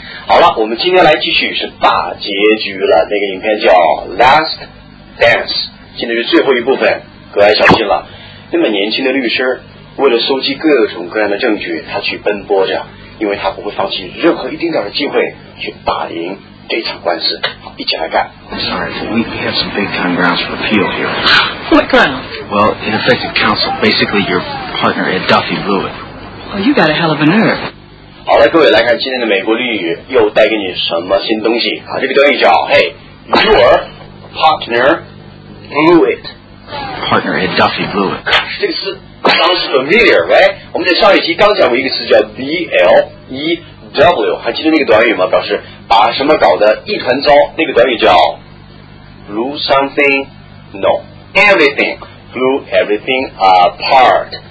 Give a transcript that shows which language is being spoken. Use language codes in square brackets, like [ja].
[zh] 好了，我们今天来继续是大结局了。那个影片叫 Last Dance， 现在是最后一部分，格外小心了。那么年轻的律师为了收集各种各样的证据，他去奔波着，因为他不会放弃任何一丁点的机会去打赢这场官司。好，一起来看。 [en] I'm sorry, but we have some big time grounds for appeal here. What grounds? Well, ineffective counsel. Basically, your partner Ed Duffy blew it. Oh, you got a hell of a nerve. [zh] 好了，各位，来看今天的美国律语又带给你什么新东西。好，这个短语叫 [en] Hey, your partner blew it. Partner Ed Duffy blew it. [zh] 这个词 [en] sounds familiar, right? [zh] 我们在上一期刚讲过一个词叫 BLEW， 还记得那个短语吗？表示把什么搞得一团糟，那个短语叫 [en] blew something, no, everything, blew everything apart。